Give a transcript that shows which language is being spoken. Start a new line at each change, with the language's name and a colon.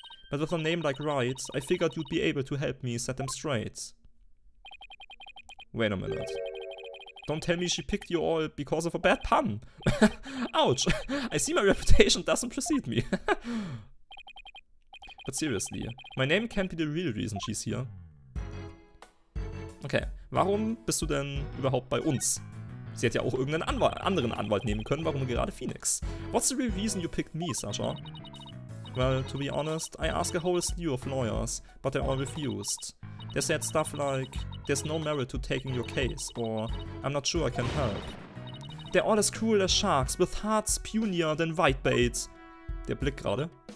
English: But with a name like Wright, I figured you'd be able to help me set them straight. Wait a minute. Don't tell me she picked you all because of a bad pun. Ouch. I see my reputation doesn't precede me. But seriously, my name can't be the real reason she's here.
German: Okay, warum bist du denn überhaupt bei uns? Sie hätte ja auch irgendeinen anderen Anwalt nehmen können, warum gerade Phoenix?
English: What's the real reason you picked me, Sasha? Well, to be honest, I ask a whole slew of lawyers, but they all refused. They said stuff like, there's no merit to taking your case, or I'm not sure I can help. They're all as cruel as sharks, with hearts punier than whitebait.
German: Der Blick gerade.